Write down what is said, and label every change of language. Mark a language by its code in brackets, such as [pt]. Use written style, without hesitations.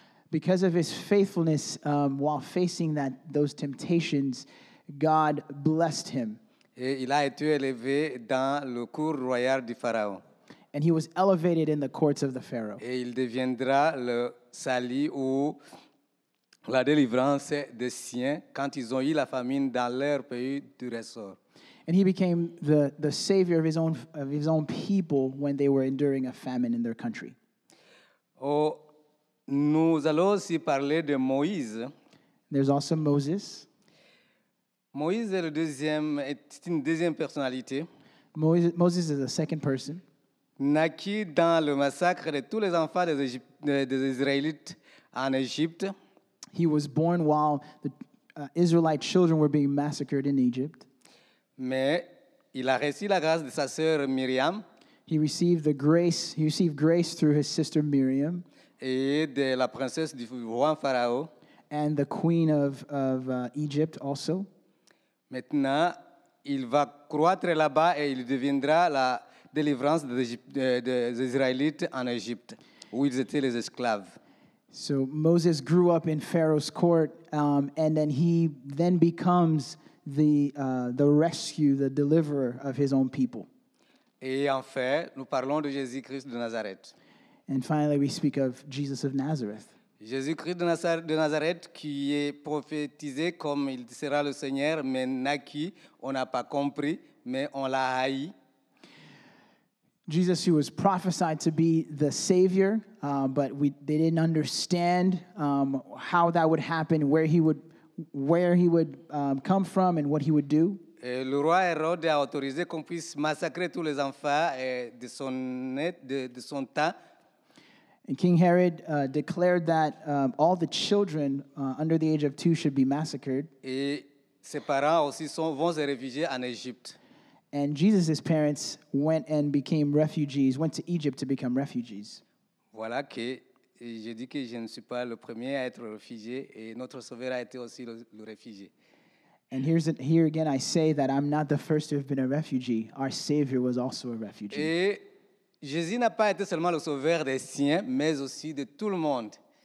[en] Because of his faithfulness while facing those temptations, God blessed him. [fr] Et il a été élevé dans le cour royal du Pharaon. [en] And he was elevated in the courts of the Pharaoh. [fr] Et il deviendra le salut ou la délivrance des siens quand ils ont eu la famine dans leur pays du ressort. [en] And he became the savior of his own people when they were enduring a famine in their country. [fr] Oh, nous allons aussi parler de Moïse. [en] There's also Moses. [fr] Moïse est le deuxième, est une deuxième personnalité. [en] Moses is a second person. [fr] Naquit dans le massacre de tous les enfants des Israélites en Égypte. [en] He was born while the Israelite children were being massacred in Egypt. [fr] Mais il a reçu la grâce de sa sœur Miriam. [en] He received grace through his sister Miriam. [fr] Et de la princesse du roi Pharaon. [en] And the queen of Egypt also. [fr] Maintenant, il va croître là-bas et il deviendra la délivrance des Israélites en Égypte, où ils étaient les esclaves. [en] So Moses grew up in Pharaoh's court, and then he then becomes the rescue, the deliverer of his own people. [fr] Et enfin, nous parlons de Jésus-Christ de Nazareth. [en] And finally, we speak of Jesus of Nazareth. [fr] Jésus-Christ de Nazareth, qui est prophétisé comme il sera le Seigneur, mais naquit, on n'a pas compris, mais on l'a haï. [en] Jesus, who was prophesied to be the Savior, but they didn't understand how that would happen, where he would come from, and what he would do. [fr] Le roi Hérode a autorisé qu'on puisse massacrer tous les enfants de son temps. [en] And King Herod declared that all the children under the age of 2 should be massacred. [fr] Et ses parents aussi vont se réfugier en Égypte. [en] And Jesus' parents went and became refugees, went to Egypt to become refugees. [fr] Voilà que je dis que je ne suis pas le premier à être réfugié et notre sauveur a été aussi le réfugié. [en] And here again I say that I'm not the first to have been a refugee. Our Savior was also a refugee. [fr] Et Jésus n'a pas été seulement le sauveur des siens, mais aussi de tout le monde.